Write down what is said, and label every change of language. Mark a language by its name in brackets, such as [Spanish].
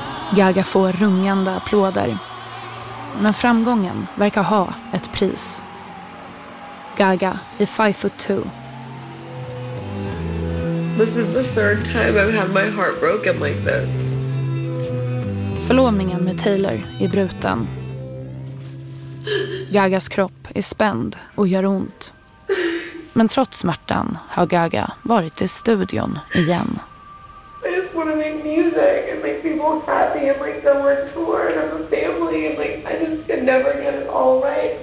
[Swedish] Gaga får rungande applåder, men framgången verkar ha ett pris. Gaga i 5'2". [English] This is the third time I've had my heart broken like this. [Swedish] Förlovningen med Taylor är bruten. Gagas kropp är spänd och gör ont. Men trots smärtan har Gaga varit i studion igen. [English] I just want to make music and make people happy and like go on tour and have a family and like I just can never get it all right.